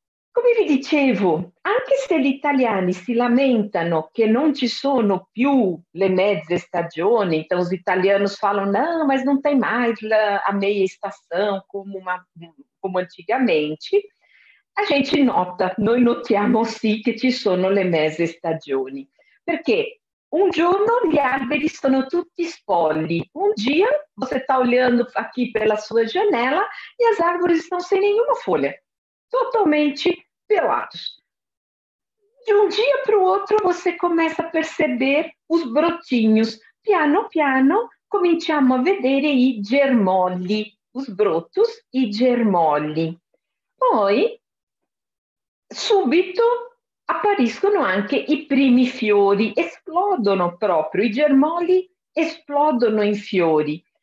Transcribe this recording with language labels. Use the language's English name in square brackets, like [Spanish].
[Italian] Come vi dicevo, anche se gli italiani si lamentano che non ci sono più le mezze stagioni, [Portuguese] então os italianos falam, não, mas non tem mais a meia estação come antigamente, a gente nota, [Italian] noi notiamo sì che ci sono le mezze stagioni, perché Um giorno gli alberi sono tutti spogli. [Portuguese] Um dia você está olhando aqui pela sua janela e as árvores estão sem nenhuma folha, totalmente pelados. De um dia para o outro você começa a perceber os brotinhos. [Italian] Piano piano cominciamo a vedere i germogli, os brotos e germogli. Poi, subito, appariscono anche i primi fiori, esplodono proprio, i germogli esplodono in fiori.